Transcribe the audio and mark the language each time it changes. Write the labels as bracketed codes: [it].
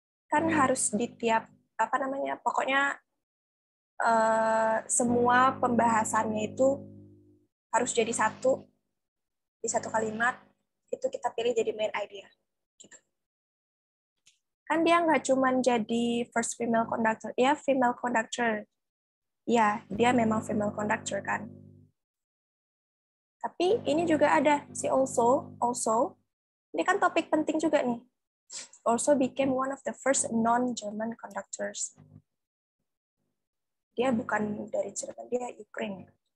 [id] Kan harus di tiap, apa namanya, pokoknya semua pembahasannya itu harus jadi satu, di satu kalimat, itu kita pilih jadi main idea. Kan dia nggak cuma jadi first female conductor. Ya, female conductor. Ya, dia memang female conductor, kan. Tapi ini juga ada, si also. Ini kan topik penting juga nih. [en] Also became one of the first non-German conductors. [id] Dia bukan dari Jerman, dia Ukraine.